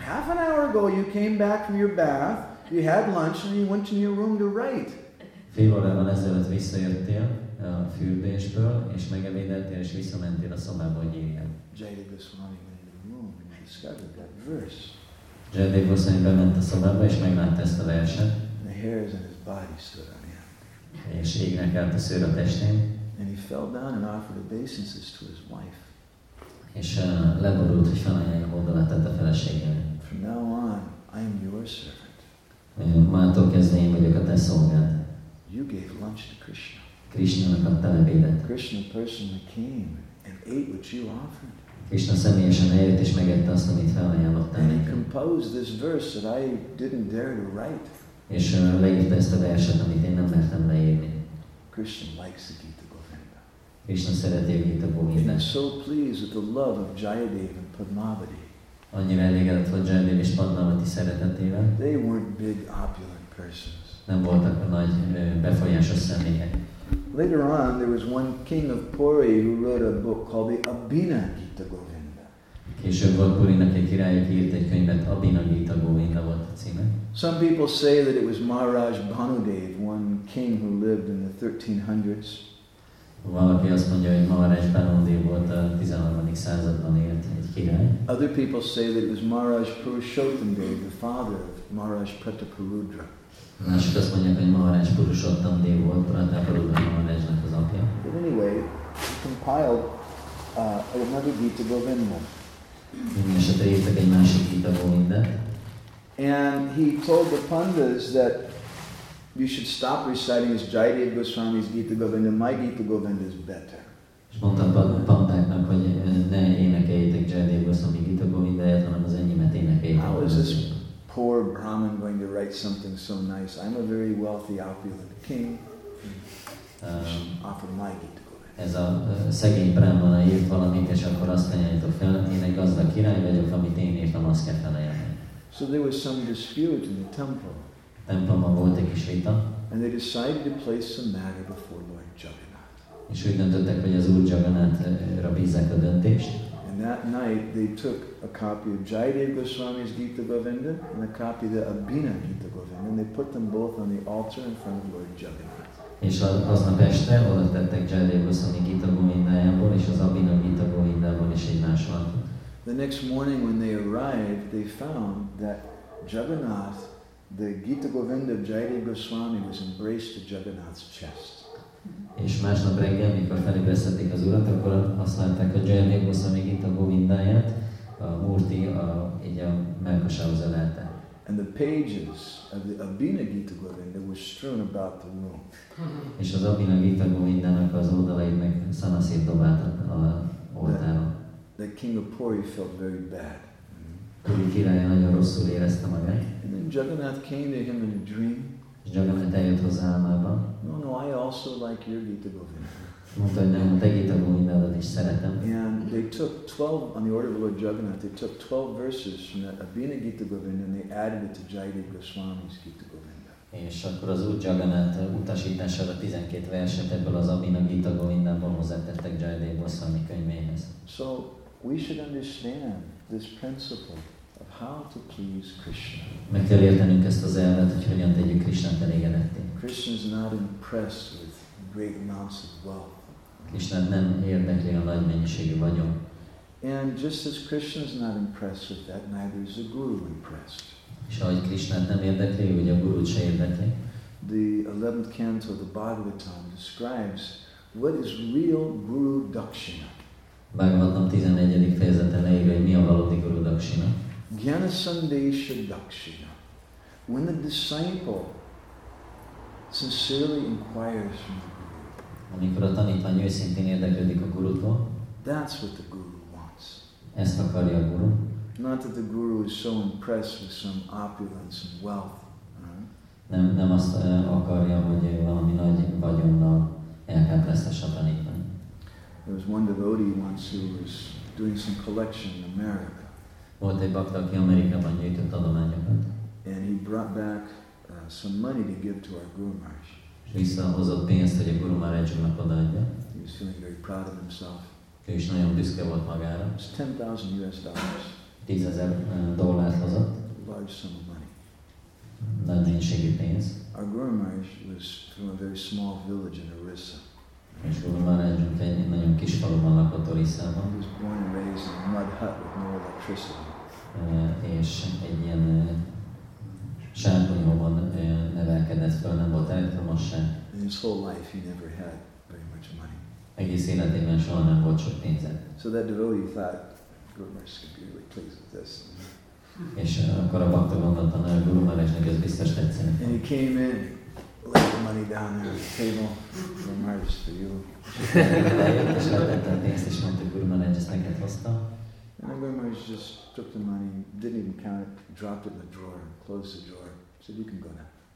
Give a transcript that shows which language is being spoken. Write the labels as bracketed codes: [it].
[en] Half an hour ago you came back from your bath, you had lunch, and you went to your room to write. [hu] Fél órával ezelőtt visszajöttél a fürdésből, és megevédeltél, és visszamentél a szobába, hogy írjál. [en] Jayadeva Goswami went into the room and discovered that verse. [hu] Jayadeva Goswami bement a szobába, és meglátta ezt a verset. [en] The hairs on his body stood on him. [hu] És égnek állt a szőr a testén. [en] And he fell down and offered obeisances to his wife. [hu] És leborult, hogy felajánlja oldalát tett a feleségének. [en] From now on, I am your servant. [hu] Mától kezdve én vagyok a te szolgád. [en] You gave lunch to Krishna. [hu] Krishna-nak adtál ebédet. [en] Krishna personally came and ate what you offered. [hu] Krishna személyesen eljött és megette azt, amit felajánlottál. [en] And he composed this verse that I didn't dare to write. [hu] És leírta ezt a verset, amit én nem mertem leírni. [en] Krishna likes the Gita Govinda. [hu] Krishna szereti a Gita Govindát. [en] And so pleased with the love of Jayadeva and Padmavati. [hu] Annyira elégedett volt Jayadeva és Padmavati szeretetével. [en] They weren't big opulent persons. [hu] Nem voltak nagy befolyásos személyek. [en] Later on, there was one king of Puri who wrote a book called the Abhina Gita Govinda. [hu] Később volt Purinak egy király, aki írt egy könyvet, Abhina Gita Govinda volt a címe. [en] Some people say that it was Maharaj Bhanudev, one king who lived in the 1300s. [hu] Valaki azt mondja, hogy Maharaj Bhanudev volt a 13. században élt egy király. [en] Other people say that it was Maharaj Purushottamdev, the father of Maharaj Prataparudra. [hu] Mások azt mondják, hogy Maharaj Purushottamdev volt Prataparudra Maharajnak az apja. [en] But anyway, he compiled another Gita Govinda. [hu] Mindenesetre írtak egy másik Gita Govindát. [en] And he told the pandas that you should stop reciting as Jayadeva Goswami's Gita Govinda. My Gita Govinda is better. [hu] És mondtam pandáknak, hogy ne énekeljétek Jayadeva Goswami Gita Govindáját, hanem az enyémet énekeljétek. [en] How is this poor Brahmin going to write something so nice? I'm a very wealthy opulent king. Offer my Gita Govinda. [hu] Ez a szegény Brahmana írt valamit, és akkor azt ajánlítok fel, én egy gazdag király vagyok, amit én írtam, azt kell felajánlani. [en] So there was some dispute in the temple. [hu] Templomban volt egy kis vita. [en] And they decided to place some matter before Lord Jagannath. [hu] És úgy döntöttek, hogy az Úr Jagannáthra bízzák a döntést. [en] And that night they took a copy of Jayadeva Goswami's Gita Govinda and a copy of the Abhina Gita Govinda and they put them both on the altar in front of Lord Jagannath. [hu] És aznap este oda tettek Jayadeva Goswami Gita Govindájából és az Abhina Gita Govindából is egymás alatt. [en] The next morning when they arrived, they found that Jagannath, the Gita Govinda of Jayadeva Goswami, was embraced to Jagannath's chest. [hu] És másnap reggel, mikor felébresztették az urat, akkor azt látták, hogy Jayadeva Goswami Gita Govindáját, a Murti így a mellkasához ölelte. [en] And the pages of the Abhina Gita Govinda were strewn about the room. [hu] És az Abhina Gita Govindának az oldalait meg szanaszét dobáltak a oltáron. [en] The king of Puri felt very bad. [hu] Puri király nagyon rosszul érezte magát. [en] And then Jagannath came to him in a dream. [hu] Jagannath eljött hozzá álmában. [en] No, I also like your Gita Govinda. [hu] Mondta, hogy nem, a te Gita Govindádat is szeretem. [en] And they took 12, on the order of Lord Jagannath, they took 12 verses from that Abhina Gita Govinda and they added it to Jayadeva Goswami's Gita Govinda. [hu] És akkor az Úr Jagannath utasítására 12 verset ebből az Abhina Gita Govindából hozzátettek Jayadeva Goswami könyvéhez. [en] So, we should understand this principle of how to please Krishna. [hu] Meg kell értenünk ezt az elvet, hogy hogyan tegyük Krishnát elégedetté. [en] Krishna is not impressed with great amounts of wealth. [hu] Krishna nem érdekli a nagy mennyiségű vagyon. [en] And just as Krishna is not impressed with that, neither is the guru impressed. [hu] És ahogy Krishnát nem érdekli, hogy a gurut se érdekli. [en] The 11th canto of the Bhagavatam describes what is real guru dakshina. [hu] Bhagavatam 11. fejezete leírja, hogy mi a valódi Guru Dakshina. [sa] Jnana Sandesha Dakshina. [en] When the disciple sincerely inquires from the Guru, [hu] amikor a tanítvány őszintén érdeklődik a Gurutól, [en] that's what the Guru wants. [hu] Ezt akarja a Guru. [en] Not that the Guru is so impressed with some opulence and wealth. [hu] Nem azt akarja, hogy valami nagy vagyonnal elkeprestesse a tanítvány. [en] There was one devotee once who was doing some collection in America. [hu] Volt egy bakta, aki Amerikában gyűjtött adományokat. [en] And he brought back some money to give to our Guru Maharaj. [hu] Visszahozott pénzt, hogy a Guru Maharajnak odaadja. [en] He was feeling very proud of himself. [hu] Ő is nagyon büszke volt magára. [en] It's 10,000 US dollars. [hu] 10,000 dollárt hozott. [en] Large sum of money. [hu] Nagy mennyiségű pénz. [en] Our Guru Maharaj was from a very small village in Orissa. [hu] És Guru Maharaj egy nagyon kis faluban lakott Orissában. [en] He was born and raised in a mud hut with no electricity. [hu] És egy ilyen sárkonyhóban nevelkedett fel, nem volt elektromos se. [en] In his whole life he never had very much money. [hu] Egész életében soha nem volt sok pénze. [en] So that devotee thought, Guru Maharaj could be really pleased with this. [hu] És akkor a bakta gondolta, hogy Guru Maharajnak ez biztos tetszene. [en] And he came in, laid the money down there on the table. Guru Maharaj is for you. [hu] És letette a pénzt, és mondta, Guru Maharaj ezt neked hozta. [en] And Guru Maharaj just took the money, didn't even count it, dropped it in the drawer, closed the drawer, said, you can go now.